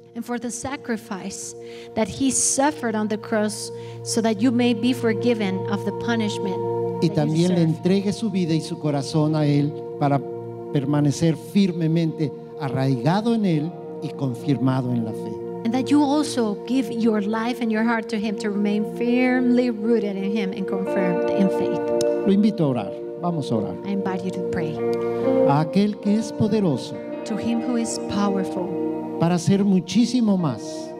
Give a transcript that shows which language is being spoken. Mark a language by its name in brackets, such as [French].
[English] And for the sacrifice that He suffered on the cross so that you may be forgiven of the punishment that you deserve. [Spanish] Y también le entregue su vida y su corazón a Él para permanecer firmemente arraigado en Él y confirmado en la fe. [English] And that you also give your life and your heart to Him to remain firmly rooted in Him and confirmed in faith. [Spanish] Lo invito a orar. Vamos a orar. [English] I invite you to pray. [Spanish] A aquel que es poderoso, [English] to Him who is powerful, [Spanish] para hacer muchísimo más,